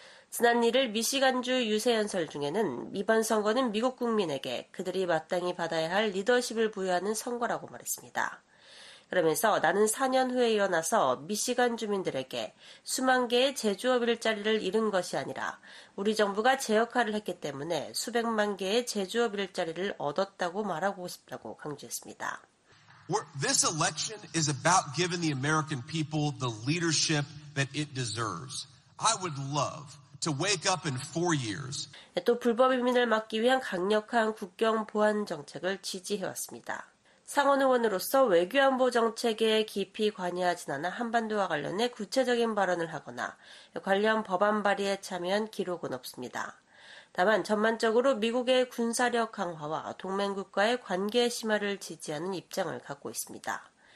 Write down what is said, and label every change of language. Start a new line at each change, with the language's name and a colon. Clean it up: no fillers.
Korean: 지난 1일 미시간주 유세연설 중에는 이번 선거는 미국 국민에게 그들이 마땅히 받아야 할 리더십을 부여하는 선거라고 말했습니다. 그러면서 나는 4년 후에 일어나서 미시간 주민들에게 수만 개의 제조업 일자리를 잃은 것이 아니라 우리 정부가 제 역할을 했기 때문에 수백만 개의 제조업 일자리를 얻었다고 말하고 싶다고 강조했습니다.
English: This election is about giving the American people the leadership that it deserves. I would love to wake up in four years.
Korean: 또 불법 이민을 막기 위한 강력한 국경 보안 정책을 지지해왔습니다. 상원 의원으로서 외교안보 정책에 깊이 관여하진 않아 한반도와 관련해 구체적인 발언을 하거나 관련 법안 발의에 참여한 기록은 없습니다. 다만 전반적으로 미국의 군사력 강화와 동맹국과의 관계 심화를 지지하는 입장을 갖고 있습니다.